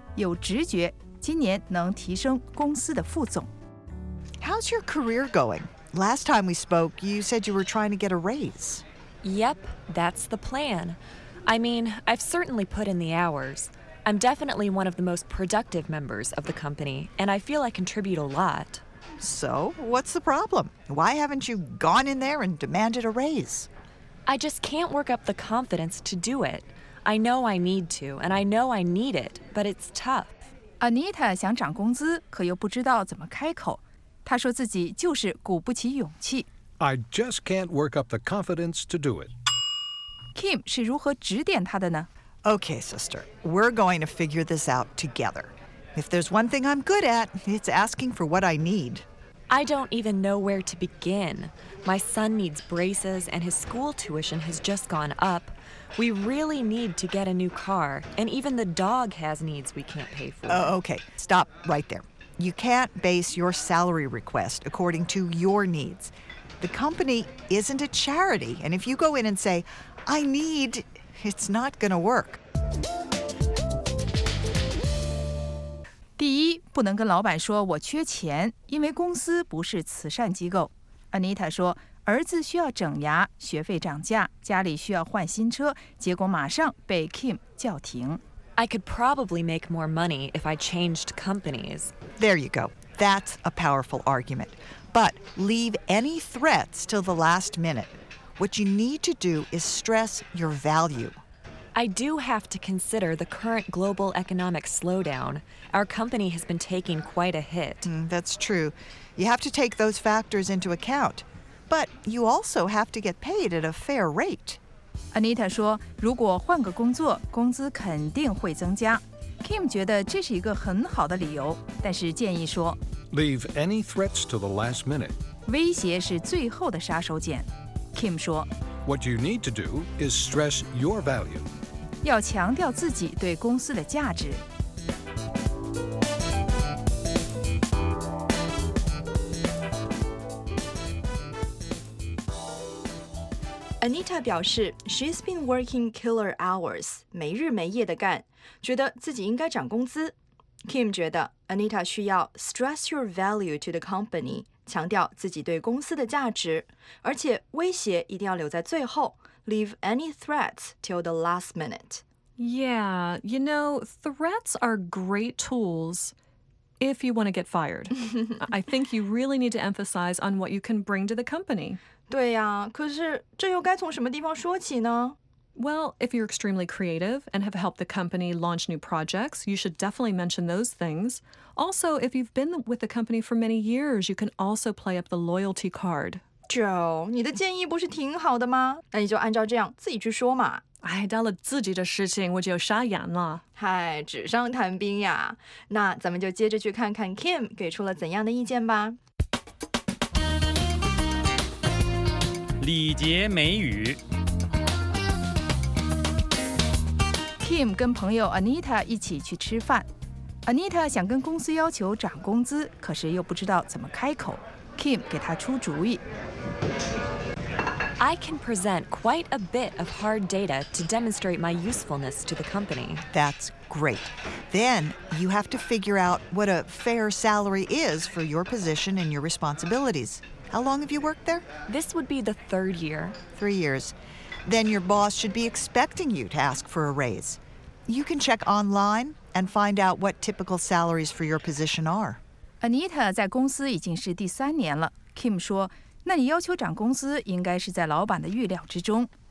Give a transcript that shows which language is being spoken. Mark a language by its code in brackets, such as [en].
[zh] 有直觉，今年能提升公司的副总。 [en] How's your career going? Last time we spoke, you said you were trying to get a raise. Yep, that's the plan. I mean, I've certainly put in the hours. I'm definitely one of the most productive members of the company, and I feel I contribute a lot. So, what's the problem? Why haven't you gone in there and demanded a raise? I just can't work up the confidence to do it. I know I need to, and I know I need it, but it's tough. [zh] Anita 想涨工资，可又不知道怎么开口。他说自己就是鼓不起勇气。 [en] I just can't work up the confidence to do it. [zh] Kim 是如何指点他的呢 [en] ？Okay, sister, we're going to figure this out together. If there's one thing I'm good at, it's asking for what I need. I don't even know where to begin. My son needs braces, and his school tuition has just gone up. We really need to get a new car, and even the dog has needs we can't pay for. Okay, stop right there. You can't base your salary request according to your needs. The company isn't a charity, and if you go in and say, I need, it's not going to work. [zh] 第一，不能跟老板说我缺钱，因为公司不是慈善机构。 Anita 说，儿子需要整牙，学费涨价，家里需要换新车，结果马上被 Kim 叫停。 [en] I could probably make more money if I changed companies. There you go. That's a powerful argument. But leave any threats till the last minute. What you need to do is stress your value. I do have to consider the current global economic slowdown. Our company has been taking quite a hit. That's true. You have to take those factors into account. But you also have to get paid at a fair rate. [zh] Anita 说如果换个工作工资肯定会增加。 Kim 觉得这是一个很好的理由但是建议说 [en] Leave any threats to the last minute. [zh] 威胁是最后的杀手锏。Kim 说 [en] What you need to do is stress your value. [zh] 要强调自己对公司的价值。 Anita 表示 [en] she's been working killer hours, [zh] 没日没夜的干，觉得自己应该涨工资。 Kim 觉得 Anita 需要 [en] stress your value to the company, [zh] 强调自己对公司的价值，而且威胁一定要留在最后， [en] leave any threats till the last minute. Yeah, you know, threats are great tools if you want to get fired. I think you really need to emphasize on what you can bring to the company. [zh] 对呀，可是这又该从什么地方说起呢？ [en] Well, if you're extremely creative and have helped the company launch new projects, you should definitely mention those things. Also, if you've been with the company for many years, you can also play up the loyalty card. [zh] Joe, 你的建议不是挺好的吗？那你就按照这样自己去说嘛。哎，到了自己的事情，我就傻眼了。嗨，纸上谈兵呀。那咱们就接着去看看 Kim 给出了怎样的意见吧。礼节美语。 Kim 跟朋友 Anita 一起去吃饭。Anita 想跟公司要求涨工资，可是又不知道怎么开口。 Kim 给她出主意。 [en] I can present quite a bit of hard data to demonstrate my usefulness to the company. That's great. Then you have to figure out what a fair salary is for your position and your responsibilities. How long have you worked there? This would be the third year. 3 years. Then your boss should be expecting you to ask for a raise. You can check online and find out what typical salaries for your position are. [zh] Anita 在公司已经是第三年了。 Kim 说，那你要求涨工资应该是在老板的预料之中。